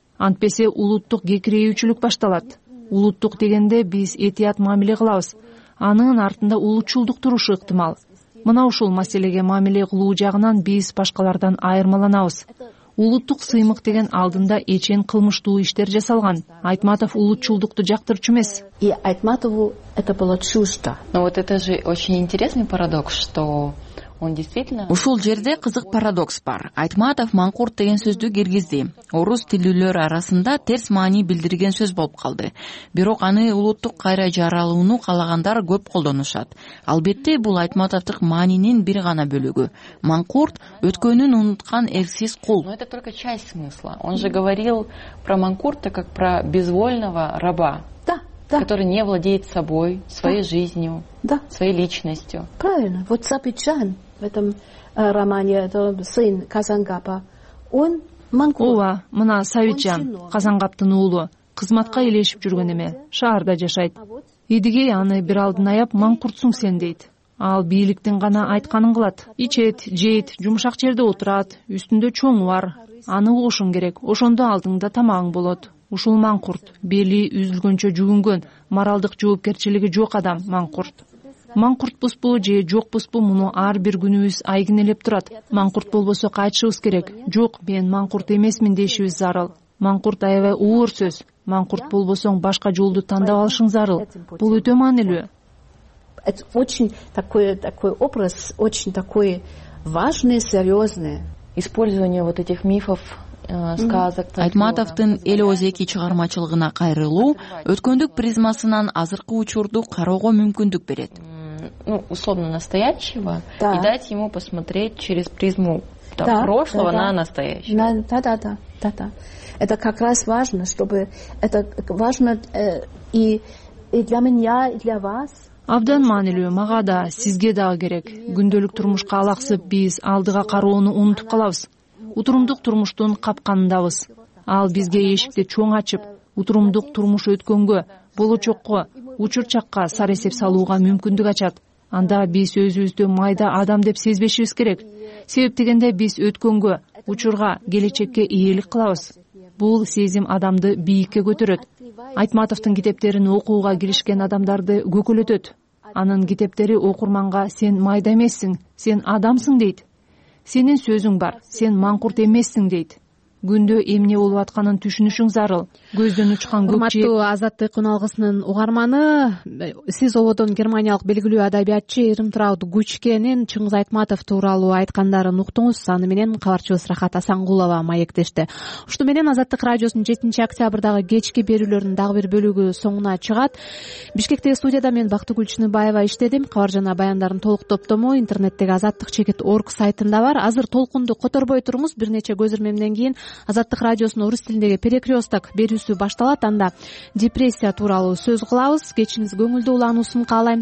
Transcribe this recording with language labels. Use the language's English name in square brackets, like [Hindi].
[Kyrgyz] Антпесе улуттук кекирейүүчүлүк башталат. Улуттук дегенде биз этият мамиле кылабыз. Анын артында улутчулдук турушу ыктымал. Мына ушул маселеге мамиле кылуу жагынан биз башкалардан айырмаланабыз. Улуттук сыймык деген алдында эчен кылмыштуу иштер жасалган. Айтматов улутчулдукту жактырчу эмес. И Айтматову это было чуждо. Но вот это же очень интересный парадокс, что он действительно... Ушул жерде кызык парадокс бар. Айтматов маңкурт деген сөздү киргизди. Орус тилүүлөр арасында терс маани билдирген сөз болуп калды. Бирок аны улуттук кайра жаралууну каалагандар көп колдонушат. Албетте, бул Айтматовдук маанинин бир гана бөлүгү. Маңкурт өткөнүн унуткан эрсиз кул. [Russian] Но это только часть смысла. Он же говорил про маңкурта как про безвольного раба. Да. Который не владеет собой, своей да. жизнью, да. своей личностью. Правильно. Вот Сапичан в этом романе, это сын Казангапа, он маңкурт. [Kyrgyz] Ова, мына Сапичан, Казангаптын уулу, кызматка элешип жүргөн эме, шаарда жашайт. Идигей аны бир алдын аяп, маңкуртсуң сен дейт. Ал бийликтин гана айтканын кылат. Ичет, жейт, жумшак жерде отурат, үстүндө чоң бар. Аны угушуң керек, ошондо алдыңда тамагың болот. Ушул маңкурт, бели үзүлгөнчө жүгүнгөн, моралдык жоопкерчилиги жок адам маңкурт. Маңкуртпузбу же жокпузбу, муну ар бир күнүбүз айгинелеп турат. Маңкурт болбосо кайтышыбыз керек. Жок, мен маңкурт эмесмин дешибиз зарыл. Маңкурт аябай оор сөз. Маңкурт болбосоң башка жолду тандап алышың зарыл. Бул өтө маанилүү. [Russian] Это очень такой образ, очень такой важный, серьезный. Использование вот этих мифов. Сказок, [Kyrgyz] Айтматовдун эл оозеки чыгармачылыгына кайрылуу өткөндүк призмасынан азыркы учурду кароого мүмкүндүк берет. [Russian] Ну, условно настоящего, да. И дать ему посмотреть через призму да, да, прошлого да, на настоящего. Да. Это как раз важно, чтобы это важно и для меня, и для вас. [Kyrgyz] Абдан маанилүү, мага да, сизге дагы керек. Күндөлүк турмушка алаксып биз алдыга кароону унутуп калабыз. Утурумдук турмуштун капканындабыз. Ал бизге эшикти чоң ачып, утурумдук турмуш өткөнгө, болочокко, учур чакка сар эсеп салууга мүмкүндүк ачат. Анда биз өзүбүздү майда адам деп сезбешибиз керек. Себеп дегенде биз өткөнгө, учурга, келечекке ээлик кылабыз. Бул сезим адамды бийикке көтөрөт. Айтматовдун китептерин окууга киришкен адамдарды көкөлөтөт. Анын китептери окурманга «Сен майда эмессиң, сен адамсың» дейт. Сенин сөзүң бар, сен маңкурт эмессиң дейт. күндө эмне болуп атканын түшүнүшүң зарыл. Көздөн учкан көп жер. Урматтуу Азаттык уналгысынын угарманы, сиз ободон германиялык белгилүү адабиятчы Ирмтрауд Гучкенин Чыңгыз Айтматов тууралуу айткандарын уктуңуз. Аны менен кабарчыбыз Рахат Асангулова маектешти. Ушуну менен Азаттык радиосунун 7 октябрдагы кечки берүүлөрүн дагы бир бөлүгү соңуна чыгат. Бишкектеги студияда мен Бактыгүл Чыныбаева иштедим. Кабар жана баяндарын толук топтому интернеттеги azattik.org сайтында бар. Азыр толкунду которбой турмуз. Бир нече көз ирмемден кийин Азаттык радиосунун орус тилиндеги перекресток берүүсү башталат. Анда депрессия тууралуу сөз кылабыз. Кечиңиз көңүлдүү улануусун каалайм.